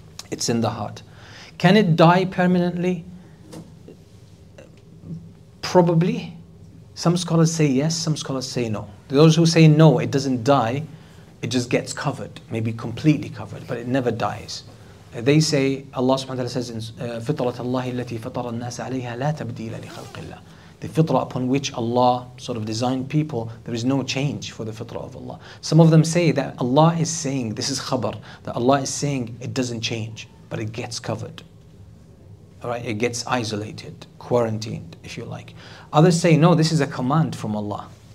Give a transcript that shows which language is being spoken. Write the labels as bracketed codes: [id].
[en] It's in the heart. Can it die permanently? Probably. Some scholars say yes, some scholars say no. Those who say no, it doesn't die, it just gets covered, maybe completely covered, but it never dies. They say, Allah subhanahu wa ta'ala says in [ar] فِطْرَةَ اللَّهِ الَّتِي فَطَرَ النَّاسَ عَلَيْهَا لَا تَبْدِيلَ لِخَلْقِ اللَّهِ. [en] The fitrah upon which Allah sort of designed people, there is no change for the fitrah of Allah. Some of them say that Allah is saying, this is khabar, that Allah is saying it doesn't change, but it gets covered. Right, it gets isolated, quarantined, if you like. Others say, no, this is a command from Allah.